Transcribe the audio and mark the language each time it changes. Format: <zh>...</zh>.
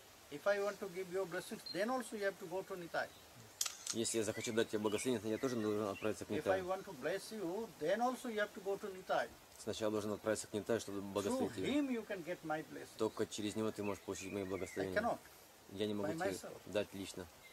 <en>If I want to give your blessings, then also you have to go to Nitai.</en> <ru>Если я захочу дать тебе благословение, то я тоже должен отправиться к Нитай.</ru> <en>If I want to bless you, then also you have to go to Nitai.</en> <ru>Сначала должен отправиться к Нитай, чтобы благословить тебя.</ru> <en>Through him you can get my blessings.</en> <ru>Только через него ты можешь получить мои благословения.</ru> <en>I cannot.</en> <ru>Я не могу тебе дать лично.</ru>